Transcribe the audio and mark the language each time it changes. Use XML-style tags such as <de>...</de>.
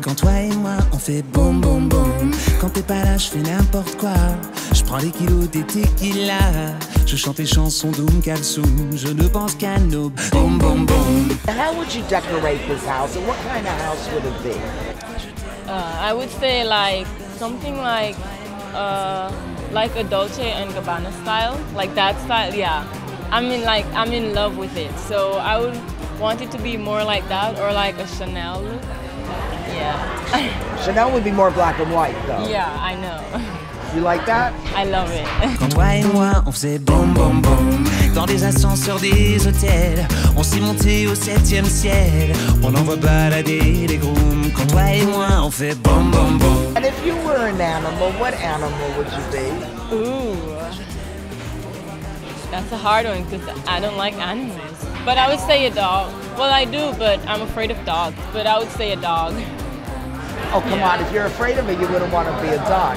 <fr>Quand toi et moi on fait boum boum boum, quand t'es pas là je fais n'importe quoi, je prends les kilos des tequila, je chante tes chansons d'oum calsoum, je ne pense qu'à nos boum boum boum.</fr> <en>How would you decorate this house, and what kind of house would it be? I would say like something like a Dolce and Gabbana style, like that style. Yeah, I mean, like, I'm in love with it, so I would want it to be more like that, or like a Chanel look. Yeah. Chanel would be more black and white, though. Yeah, I know. You like that? I love it.</en> <fr>Quand toi et moi, on faisait boum boum boum, dans des ascenseurs des hôtels, on s'est monté au septième ciel, on envoie balader les grooms. Quand toi et moi, on fait boum boum boum.</fr> <en>And if you were an animal, what animal would you be? Ooh. That's a hard one because I don't like animals. But I would say a dog. Well, I do, but I'm afraid of dogs. But I would say a dog. Oh, come on. If you're afraid of it, you wouldn't want to be a dog.</en>